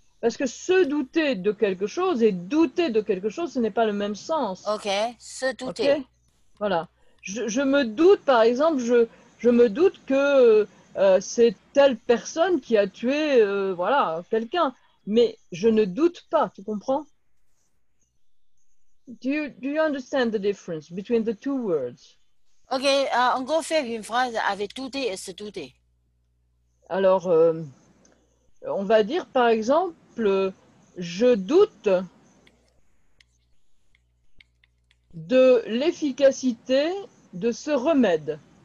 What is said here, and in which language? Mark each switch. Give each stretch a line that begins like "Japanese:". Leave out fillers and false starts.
French: Parce que se douter de quelque chose et douter de quelque chose, ce n'est pas le même sens. Ok, se douter. Okay? Voilà. Je me doute, par exemple, je me doute que c'est telle personne qui a tué voilà, quelqu'un. Mais je ne doute pas, tu comprends?
English: Do you understand the difference between the two words?
French: Ok, on va faire une phrase avec douter et se douter. Alors, on va dire par exemple, je doute de l'efficacité de ce remède.